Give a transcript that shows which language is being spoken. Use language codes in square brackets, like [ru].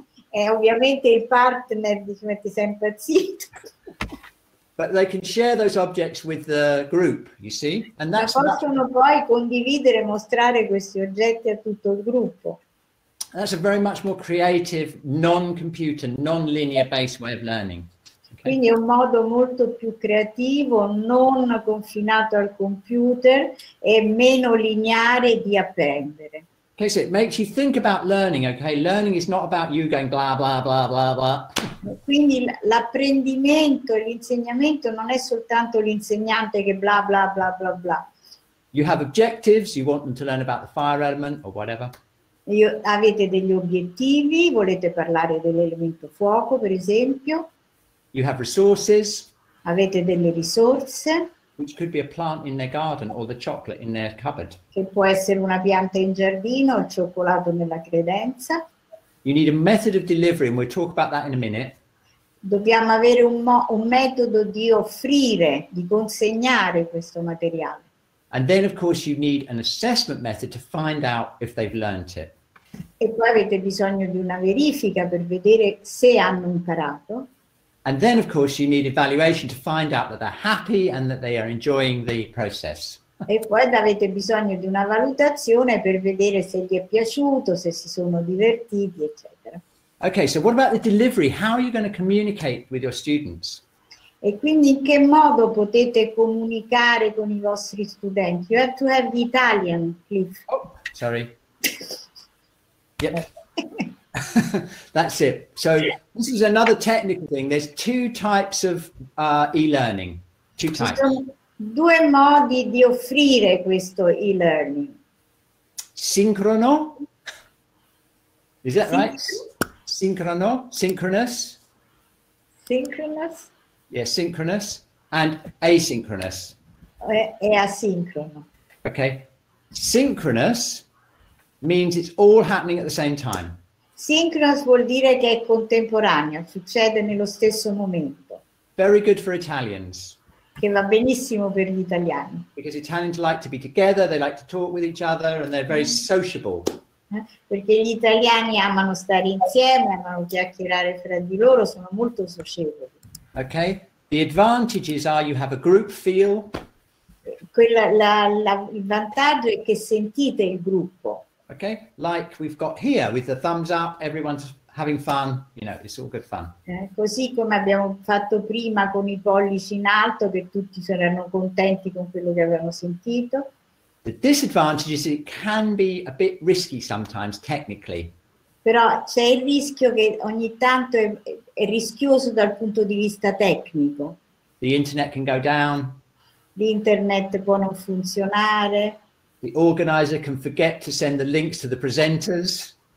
[it] E ovviamente il partner si mette sempre zitto. [en] But they can share those objects with the group, you see? And that's [it] ma possono [en] not... [it] poi condividere, mostrare questi oggetti a tutto il gruppo. [en] That's a very much more creative, non-computer, non-linear based way of learning. Okay. [it] Quindi è un modo molto più creativo, non confinato al computer e meno lineare di apprendere. [en] Okay, so it makes you think about learning, okay? Learning is not about you going blah, blah, blah, blah, blah. [it] Quindi l'apprendimento e l'insegnamento non è soltanto l'insegnante che blah, blah, blah, blah, blah. [en] You have objectives, you want them to learn about the fire element or whatever. [it] Avete degli obiettivi, volete parlare dell'elemento fuoco, per esempio. [en] You have resources. [it] Avete delle risorse. [en] Which could be a plant in their garden or the chocolate in their cupboard. [it] Che può essere una pianta in giardino, il cioccolato nella credenza. [en] You need a method of delivery, and we'll talk about that in a minute. [it] Dobbiamo avere un metodo di offrire, di consegnare questo materiale. [en] And then, of course, you need an assessment method to find out if they've learned it. [it] E poi avete bisogno di una verifica per vedere se hanno imparato. [en] And then, of course, you need evaluation to find out that they're happy and that they are enjoying the process. [it] E poi avete bisogno di una valutazione per vedere se gli è piaciuto, se si sono divertiti, eccetera. [en] Okay, so what about the delivery? How are you going to communicate with your students? [it] E quindi in che modo potete comunicare con i vostri studenti? [en] You have to have the Italian, please. Oh, sorry. Yep. That's it. So this is another technical thing. There's two types of e-learning. Two types. [it] Due modi di offrire questo e-learning. [en] Sincrono. Is that right? Sincrono. Synchronous. Synchronous. Yes, yeah, synchronous. And asynchronous. [it] E asincrono. [en] Okay. Synchronous means it's all happening at the same time. [it] Synchronous vuol dire che è contemporaneo, succede nello stesso momento. [en] Very good for Italians. [it] Che va benissimo per gli italiani. [en] Because Italians like to be together, they like to talk with each other, and they're very sociable. [it] Perché gli italiani amano stare insieme, amano chiacchierare fra di loro, sono molto socievoli. [en] Okay, the advantages are you have a group feel. [it] Il vantaggio è che sentite il gruppo. [en] Okay, like we've got here with the thumbs up, everyone's having fun, you know, it's all good fun. [it] Così come abbiamo fatto prima con i pollici in alto, che tutti saranno contenti con quello che avevano sentito. [en] The disadvantage is it can be a bit risky sometimes, technically. [it] Però c'è il rischio che ogni tanto è rischioso dal punto di vista tecnico. [en] The internet can go down. [it] L'internet può non funzionare. [en] The organizer can forget to send the links to the presenters.